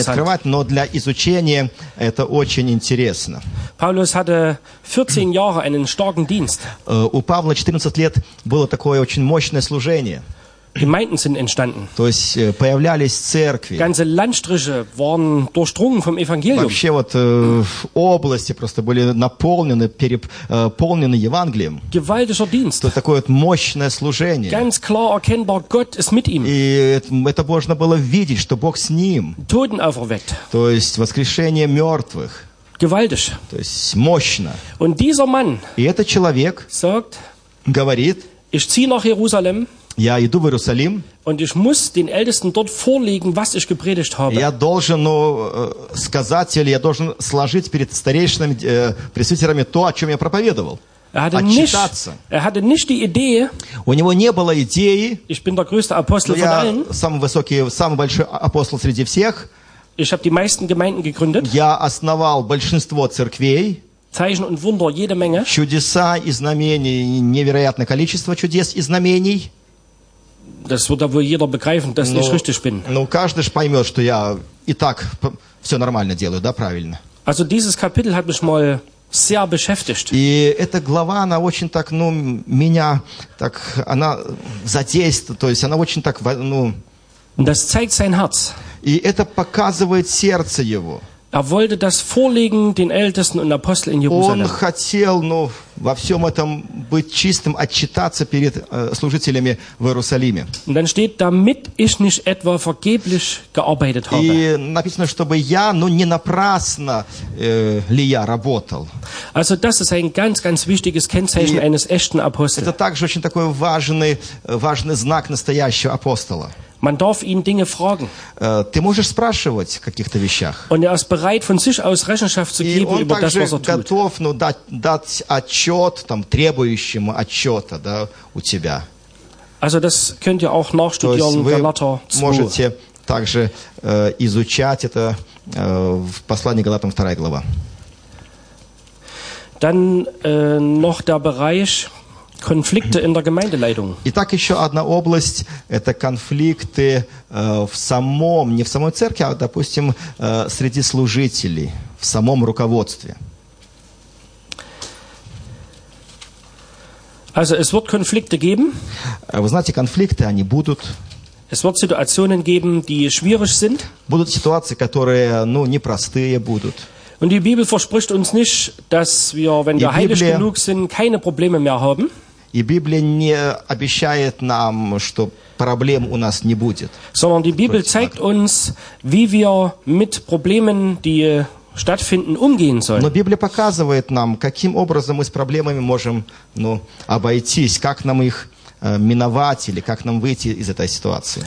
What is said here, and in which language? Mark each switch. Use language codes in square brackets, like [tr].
[ru] открывать, но для изучения это очень интересно. [de] Paulus hatte 14 Jahre einen starken Dienst. [ru] У Павла 14 лет было такое очень мощное служение. [de] Gemeinden sind entstanden. [ru] То есть появлялись церкви. [de] Ganze Landstriche waren durchdrungen vom Evangelium. [ru] Вообще вот области просто были наполнены, переполнены Евангелием. [de] Gewaltiger Dienst. [ru] То такое вот мощное служение. [de] Ganz klar erkennbar, Gott ist mit ihm. [ru] И это можно было видеть, что Бог с ним. [de] Toten auferweckt. [ru] То есть воскрешение мертвых. [de] Gewaltig. [ru] То есть мощно. [de] Und dieser Mann. [ru] И этот человек [de] sagt, [ru] говорит, [de] ich zieh nach Jerusalem. [ru] Я иду в Иерусалим. [de] Und ich muss den Ältesten dort vorlegen, was ich gepredigt habe. [ru] Я должен, сказать или я должен сложить перед старейшинами, пресвитерами то, о чем я проповедовал. Отчитаться. У него не было идеи. [de] Ich bin der größte Apostel von allen. [ru] Я самый высокий, самый большой апостол среди всех. [de] Ich habe die meisten Gemeinden gegründet. [ru] Я основал большинство церквей. [de] Zeichen und Wunder jede Menge. [ru] Чудеса и знамений, невероятное количество чудес и знамений. [de] Das wird aber jeder begreifen, dass ich richtig bin. [ru] Ну, каждый ж поймет, что я и так все нормально делаю, да, правильно. [de] Also dieses Kapitel hat mich mal sehr beschäftigt. [ru] И эта глава, она очень так, ну, меня так, она задействует, то есть она очень так, ну... [de] Das zeigt sein Herz. [ru] И это показывает сердце его. [de] Er wollte das vorlegen den Ältesten und Aposteln in Jerusalem. [ru] Он хотел, ну, во всем этом быть чистым, отчитаться перед служителями в Иерусалиме. [de] Und dann steht, damit ich nicht etwa vergeblich gearbeitet habe. [ru] И написано, чтобы я, ну, не напрасно ли я работал. [de] Also das ist ein ganz, ganz wichtiges Kennzeichen eines echten Apostels. [ru] Это также очень такой важный знак настоящего апостола. [de] Man darf ihn Dinge fragen. [ru] Ты можешь спрашивать о каких-то вещах. [de] Und er ist bereit, von sich aus Rechenschaft zu geben über das, was er tut. [ru] И он также готов, ну, дать отчет, там, требующему отчета, да, у тебя. [de] Also das könnt ihr auch nachstudieren, Galater 2. [ru] Можете также изучать это в послании Галатам 2 глава. [de] Dann noch der Bereich... Konflikte in der Gemeindeleitung. [ru] Итак, еще одна область – это конфликты не в самой церкви, а, допустим, среди служителей, в самом руководстве. [de] Also, es wird Konflikte geben. [ru] Вы знаете, конфликты, они будут. [de] Es wird Situationen geben, die schwierig sind. [ru] Будут ситуации, которые, ну, непростые будут. [de] Und die Bibel verspricht uns nicht, dass wir, wenn wir heilig genug sind, keine Probleme mehr haben. [ru] И Библия не обещает нам, что проблем у нас не будет. [de] Sondern die Bibel zeigt uns, wie wir mit Problemen, die stattfinden, umgehen sollen. [ru] Но Библия показывает нам, каким образом мы с проблемами можем, ну, обойтись, как нам их миновать или как нам выйти из этой ситуации.